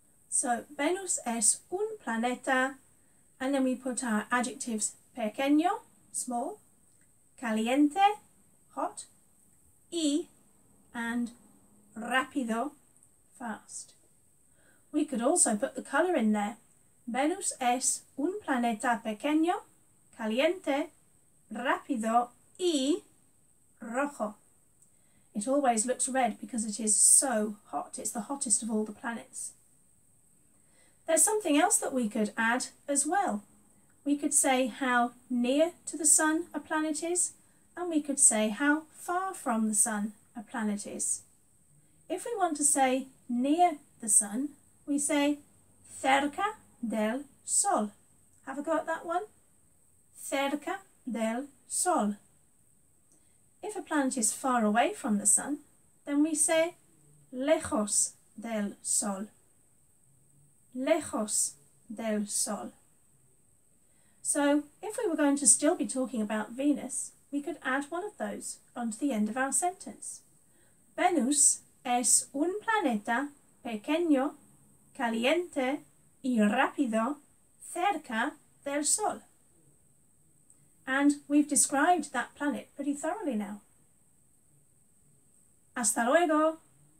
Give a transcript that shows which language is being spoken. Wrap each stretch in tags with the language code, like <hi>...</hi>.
<en>So,</en> <es>Venus es un planeta.</es> <en>And then we put our adjectives pequeño, small, caliente, hot, y, and rápido, fast. We could also put the colour in there.</en> <es>Venus es un planeta pequeño, caliente, rápido, y rojo.</es> <en>It always looks red because it is so hot. It's the hottest of all the planets. There's something else that we could add as well. We could say how near to the sun a planet is, and we could say how far from the sun a planet is. If we want to say near the sun, we say</en> <es>cerca del sol.</es> <en>Have a go at that one.</en> <es>Cerca del sol.</es> <en>If a planet is far away from the sun, then we say</en> <es>lejos del sol. Lejos del sol.</es> <en>So, if we were going to still be talking about Venus, we could add one of those onto the end of our sentence.</en> <es>Venus es un planeta pequeño, caliente y rápido cerca del sol.</es> <en>And we've described that planet pretty thoroughly now.</en> <es>Hasta luego!</es>